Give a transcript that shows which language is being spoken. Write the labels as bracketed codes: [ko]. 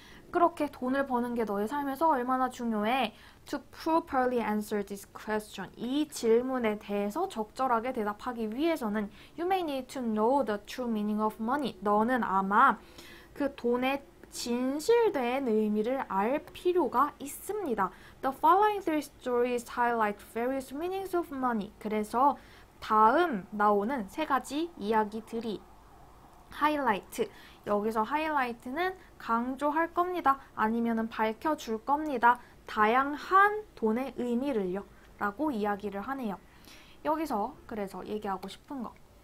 [ko] 그렇게 돈을 버는 게 너의 삶에서 얼마나 중요해? [en] To properly answer this question. [ko] 이 질문에 대해서 적절하게 대답하기 위해서는 [en] You may need to know the true meaning of money. [ko] 너는 아마 그 돈의 진실된 의미를 알 필요가 있습니다. [en] The following three stories highlight various meanings of money. [ko] 그래서 다음 나오는 세 가지 이야기들이 하이라이트. 여기서 하이라이트는 강조할 겁니다. 아니면은 밝혀줄 겁니다. 다양한 돈의 의미를요. 라고 이야기를 하네요. 여기서 그래서 얘기하고 싶은 거.